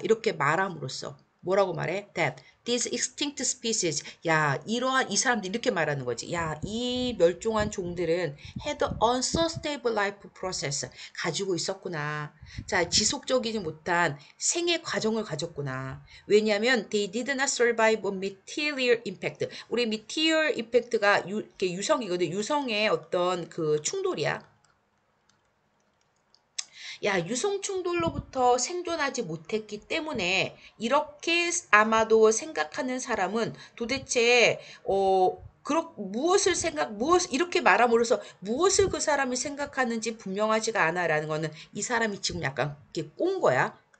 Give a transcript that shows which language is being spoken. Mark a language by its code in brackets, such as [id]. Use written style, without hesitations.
[ko] 이렇게 말함으로써. 뭐라고 말해? [en] That these extinct species. [ko] 야, 이러한, 이 사람들 이렇게 말하는 거지. 야, 이 멸종한 종들은 [en] had unsustainable life process. [ko] 가지고 있었구나. 자, 지속적이지 못한 생애 과정을 가졌구나. 왜냐하면 [en] they did not survive a material impact. [ko] 우리 material impact가 유성이거든. 유성의 어떤 그 충돌이야. 야, 유성 충돌로부터 생존하지 못했기 때문에 이렇게 아마도 생각하는 사람은 도대체 무엇을 생각, 무엇, 이렇게 말함으로써 무엇을 그 사람이 생각하는지 분명하지가 않아라는 거는 이 사람이 지금 약간 이렇게 꼰 거야.